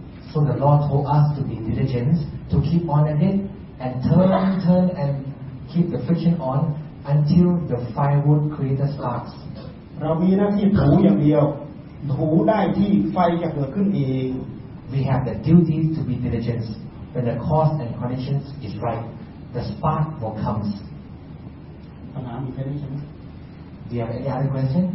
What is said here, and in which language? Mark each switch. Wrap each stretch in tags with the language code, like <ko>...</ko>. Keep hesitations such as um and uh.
<en>So the Lord told us to be diligent, to keep on at it, and turn, turn, and keep the friction on until the firewood creator sparks.</en> <th>เรามีหน้าที่ถูอย่างเดียว ถูได้ที่ไฟจะเกิดขึ้นเอง</th> <en>We have the duty to be diligent. When the cause and conditions is right, the spark will come.</en> <th>ปัญหามีแค่นี้ใช่ไหม</th> <en>Do you have any other question?</en>